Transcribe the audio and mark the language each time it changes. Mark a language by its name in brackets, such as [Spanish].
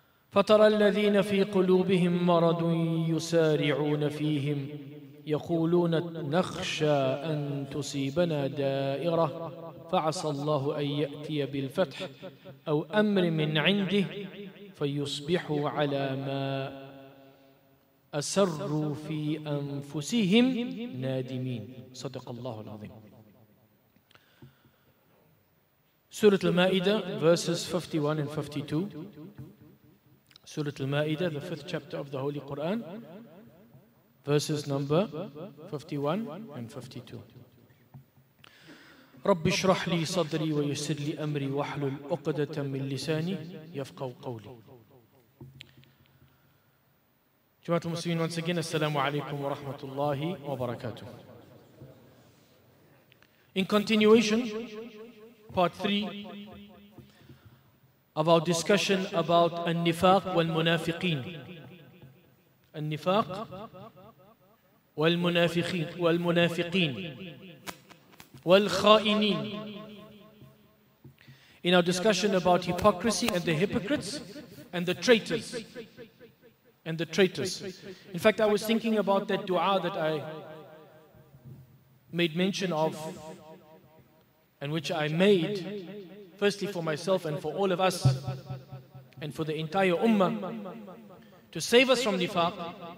[Arabic] فترى الذين في قلوبهم مرض يسارعون فيهم يقولون نخشى أن تصيبنا دائرة، فعسى الله أن يأتي بالفتح أو أمر من عنده فيصبحوا على ما أسروا في أنفسهم نادمين. صدق الله العظيم. [English] سورة المائدة verses 51 and 52. سورة المائدة, the fifth chapter of the Holy Quran, verses number 51 and 52. [Arabic] رب اشرح لي صدري ويسر لي أمري واحلل عقدة من لساني يفقهوا قولي. جماعة المسلمين, [English] once again, [Arabic] السلام عليكم ورحمة الله وبركاته. [English] In continuation, part 3 of our discussion about [Arabic] النفاق والمنافقين. النفاق والمنافقين والمنافقين والخائنين. [English] In our discussion about hypocrisy and the hypocrites and the traitors. And the traitors. In fact, I was thinking about that dua that I made mention of and which I made firstly for myself and for all of us and for the entire ummah to save us from nifaq.